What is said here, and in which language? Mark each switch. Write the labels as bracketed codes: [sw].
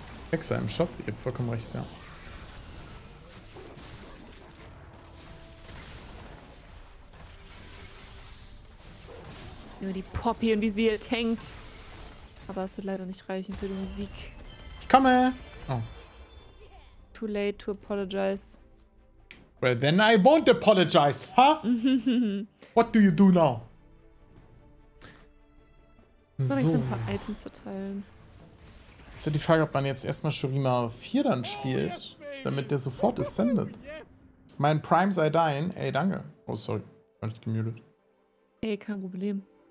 [de] Hexer im Shop, ihr habt vollkommen recht, ja. Nur die Poppy und wie sie hier tankt. Aber es wird leider nicht reichen für den Sieg. Ich komme! Oh. [en] Too late to apologize. Well, then I won't apologize, huh? What do you do now? [de] So. Ich muss ein paar Items verteilen. Ist ja die Frage, ob man jetzt erstmal Shurima 4 dann spielt, [en] oh, yes, [de] damit der sofort ascendet. [en] Yes. [de] Mein Prime sei dein. Ey, danke. [en] Oh, sorry. [de] War nicht gemutet. Ey, kein Problem.